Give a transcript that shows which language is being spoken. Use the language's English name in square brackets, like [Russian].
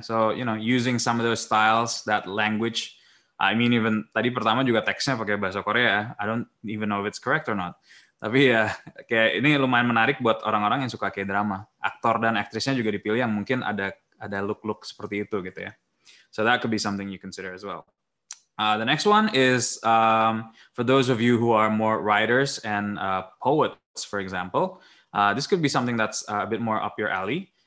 [English] So, you know, using some of those styles, that language. I mean, even [Indonesian] tadi pertama juga teksnya pakai bahasa Korea. [English] I don't even know if it's correct or not. [Indonesian] Tapi ya, kayak ini lumayan menarik buat orang-orang yang suka K-drama. Aktor dan aktrisnya juga dipilih yang mungkin ada look-look seperti itu gitu ya. [English] So that could be something you consider as well. The next one is for those of you who are more writers and poets, for example. This could be something that's a bit more up your alley.